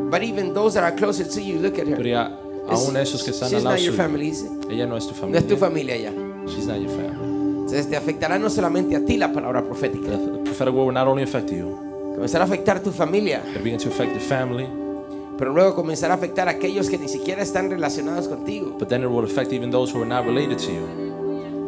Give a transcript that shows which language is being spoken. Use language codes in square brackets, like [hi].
[en] But even those that are closer to you, look at her. [es] Pero aún esos que están al lado. [en] She's not your family, is it? [es] Ella no es tu familia. No es tu familia ya. [en] She's not your family. [es] Entonces te afectará no solamente a ti la palabra profética. [en] The prophetic word will not only affect you. [es] Comenzará a afectar tu familia. [en] It begins to affect the family. [es] Pero luego comenzará a afectar a aquellos que ni siquiera están relacionados contigo. [en] But then it will affect even those who are not related to you.